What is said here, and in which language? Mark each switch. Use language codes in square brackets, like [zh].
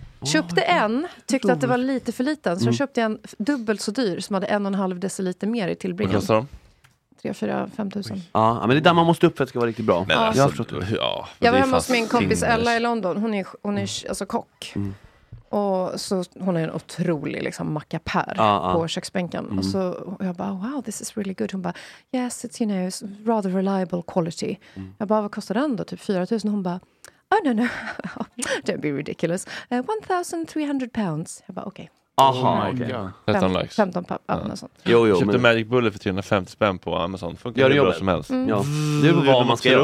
[sv] Köpte en, tyckte att det var lite för liten, så jag köpte en dubbelt så dyr som hade 1,5 deciliter mer i tillbringen. Vad kostar de? 3-4-5 tusen. Ja, men det är där man måste upp för att det ska vara riktigt bra. Men ja, alltså, jag var hemma hos min kompis Ella i London. Hon är alltså kock. Mm. Och så hon är en otrolig liksom mackapär på köksbänken. Mm. Och så och jag bara, wow, [en] this is really good. [sv] Hon bara, [en] yes, it's, you know, it's rather reliable quality. Mm. [sv] Jag bara, vad kostar den då? Typ 4 000. Hon bara, [en] oh, no, no. Don't be ridiculous. [sv] 1,300 pounds. Jag bara, okej. Okay. Aha, okej. 15 likes. 15 papp, ja, något sånt. Jo, jo. Köpte Magic Bullet för 350 spänn på Amazon. Funkar det bra som helst. Mm. Ja. Det är vad man ska göra.